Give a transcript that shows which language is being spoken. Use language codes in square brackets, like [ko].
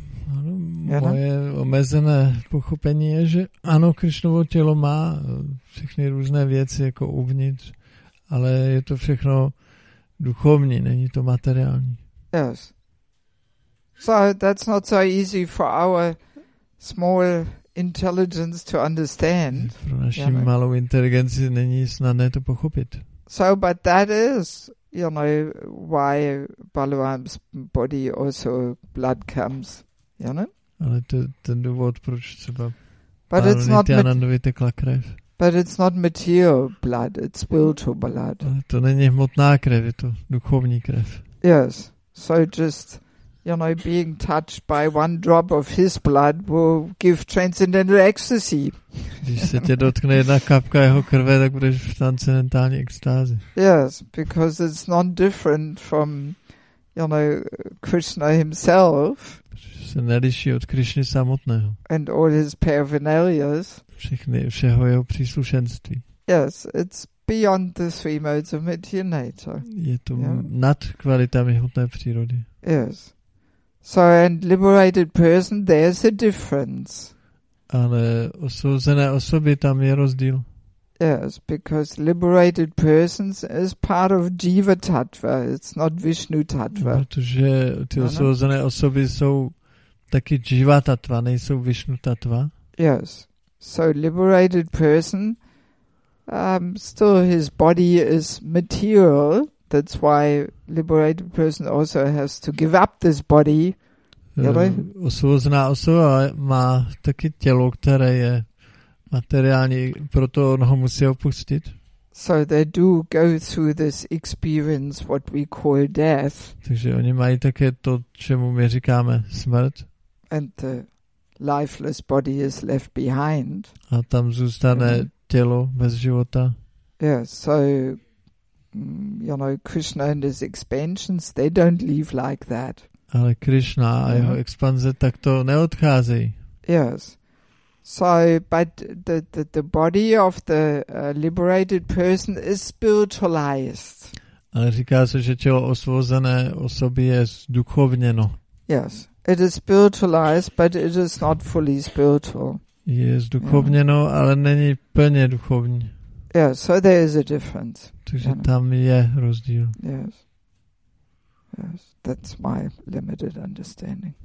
[cs] Moje omezené pochopení je, že ano, Krishnovo tělo má všechny různé věci jako uvnitř, ale je to všechno duchovní, není to materiální. [en] Yes. So that's not so easy for our small intelligence to understand. [cs] Pro naši malou inteligenci není snadné to pochopit. [en] So, but that is, why Balaram's body also blood comes, [cs] Ale to ten důvod, proč třeba Balaranityanandovi tekla krev. [en] But it's not material blood, it's spiritual blood. [cs] Ale to není hmotná krev, je to duchovní krev. [en] Yes, so just you know, being touched by one drop of his blood will give transcendental ecstasy. [cs] Když se tě dotkne jedna kapka jeho krve, tak budeš v transcendentální extázi. [en] Yes, because it's not different from, you know, Krishna himself. [cs] Protože se neliší od Krishny samotného. [en] And all his paraphernalias. [cs] Všeho jeho příslušenství. [en] Yes, it's beyond the three modes of material nature. [cs] Je to yeah. Nad kvalitami hmotné přírody. [en] Yes. So and liberated person, there's a difference. [cs] Ale osvobozené osoby, tam je rozdíl. [en] Yes, because liberated persons is part of jiva tattva, it's not Vishnu tattva. [cs] Protože ty osvobozené osoby jsou taky jiva tattva, nejsou Vishnu tattva. [en] Yes. So liberated person, still his body is material. That's why liberated person also has to give up this body. [cs] Osvobozená osoba má taky tělo, které je materiální, proto on ho musí opustit. [en] So they do go through this experience, what we call death. [cs] Takže oni mají také to, čemu my říkáme smrt. [en] And the lifeless body is left behind. [cs] A tam zůstane tělo bez života. [en] Yeah, so you know, Krishna and his expansions, they don't leave like that. [cs] Ale Krishna a jeho expanze takto neodcházejí. [en] Yes. So, but the body of the liberated person is spiritualized. [cs] Ale říká se, že tělo osvobozené osoby je zduchovněno. [en] Yes. It is spiritualized, but it is not fully spiritual. [cs] Je zduchovněno, yeah. Ale není plně duchovní. [en] Yeah, so there is a difference. [cs] Takže tam je rozdíl. [en] Yes. Yes, that's my limited understanding.